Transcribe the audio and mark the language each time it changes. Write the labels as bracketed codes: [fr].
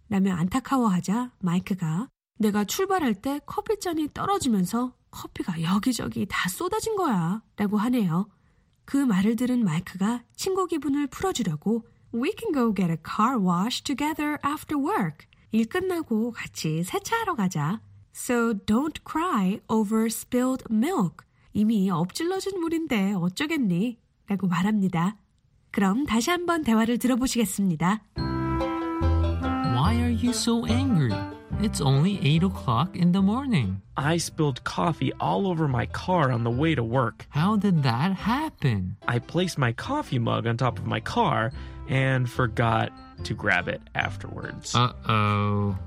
[ko] 라며 안타까워하자 마이크가 내가 출발할 때 커피잔이 떨어지면서 커피가 여기저기 다 쏟아진 거야 라고 하네요. 그 말을 들은 마이크가 친구 기분을 풀어주려고 [en] We can go get a car wash together after work. [ko] 일 끝나고 같이 세차하러 가자. [en] So don't cry over spilled milk. [ko] 이미 엎질러진 물인데 어쩌겠니? 라고 말합니다. 그럼 다시 한번 대화를 들어보시겠습니다. [en] Why are you so angry? It's only 8 o'clock in the morning. I spilled coffee all over my car on the way to work. How did that happen? I placed my coffee mug on top of my car and forgot to grab it afterwards. Uh-oh.